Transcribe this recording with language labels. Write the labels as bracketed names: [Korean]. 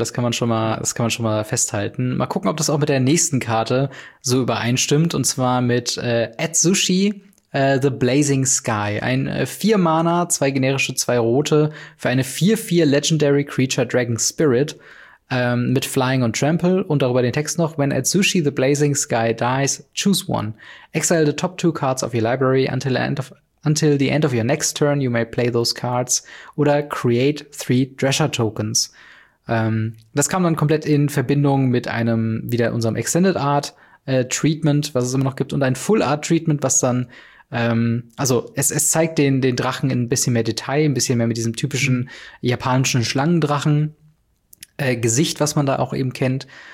[German] Das kann man schon mal festhalten. Mal gucken, ob das auch mit der nächsten Karte so übereinstimmt. Und zwar mit Atsushi The Blazing Sky. Ein 4 Mana, 2 generische, 2 rote für eine 4-4 Legendary Creature Dragon Spirit mit Flying und Trample. Und darüber den Text noch. [English] When Atsushi The Blazing Sky dies, choose one. Exile the top 2 cards of your library until the end of your next turn, you may play those cards. [German] Oder [English] create 3 Treasure Tokens. [German] Das kam dann komplett in Verbindung mit einem, wieder unserem Extended Art Treatment, was es immer noch gibt. Und ein Full Art Treatment, was dann es zeigt den Drachen in ein bisschen mehr Detail, ein bisschen mehr mit diesem typischen japanischen Schlangendrachen-Gesicht, was man da auch eben kennt.